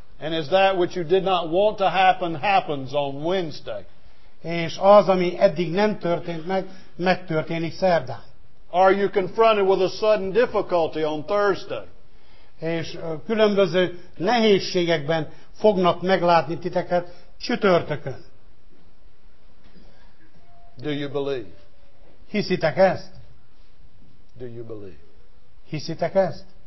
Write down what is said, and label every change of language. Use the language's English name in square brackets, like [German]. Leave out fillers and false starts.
[English] And as that which you did not want to happen happens on Wednesday. [Hungarian] És az, ami eddig nem történt meg, megtörténik szerdán. [English] Are you confronted with a sudden difficulty on Thursday? [Hungarian] És különböző nehézségekben fognak meglátni titeket csütörtökön. [English] Do you believe? [Hungarian] Hiszitek ezt? [English] Do you believe? [Hungarian] Hiszitek ezt?